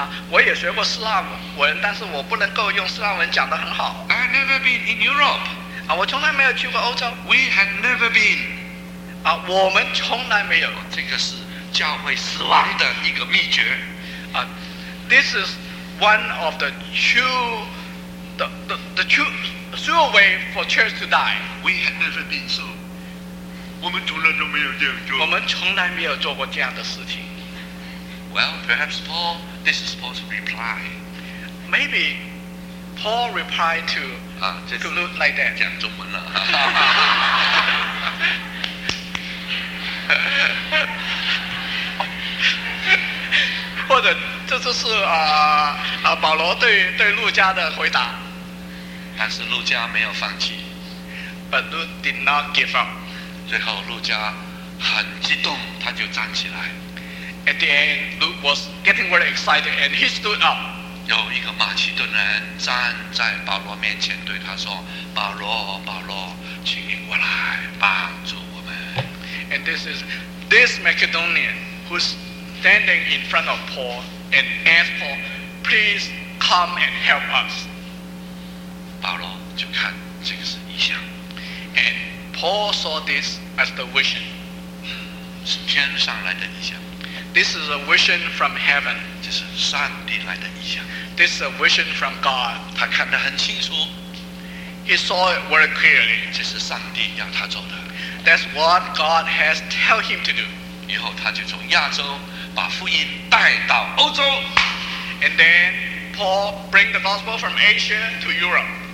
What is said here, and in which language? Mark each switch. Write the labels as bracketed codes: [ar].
[zh] 我也学过希腊文但是我不能够用希腊文讲得很好 [en] I've never been in Europe [zh] 我从来没有去过欧洲 [en] We have never been [zh] 我们从来没有这个是教会死亡的一个秘诀 [en] This is one of the true way for church to die We have never been so [zh] 我们从来都没有这样做我们从来没有做过这样的事情 [en] Well, perhaps Paul, this is Paul's reply. Maybe Paul replied to Luke like that. [zh] 讲中文了。或者这就是保罗对路加的回答。但是路加没有放弃。 [en] But Luke did not give up. [zh] 最后路加很激动，他就站起来。 [en] At the end, Luke was getting very excited, and he stood up. [zh] 有一个马其顿人站在保罗面前，对他说：“保罗，保罗，请你过来帮助我们。” [en] And this Macedonian who's standing in front of Paul and asked Paul, "Please come and help us." [zh] 保罗就看这个是异象 [en] and Paul saw this as the vision. [zh] 是天上来的异象。 [en] This is a vision from heaven. [zh] 这是上帝来的意象。 [en] This is a vision from God. [zh] 他看得很清楚。 [en] He saw it very clearly. [zh] 这是上帝要他做的。 [en] That's what God has tell him to do. [zh] 以后他就从亚洲把福音带到欧洲。 [en] And then Paul bring the gospel from Asia to Europe.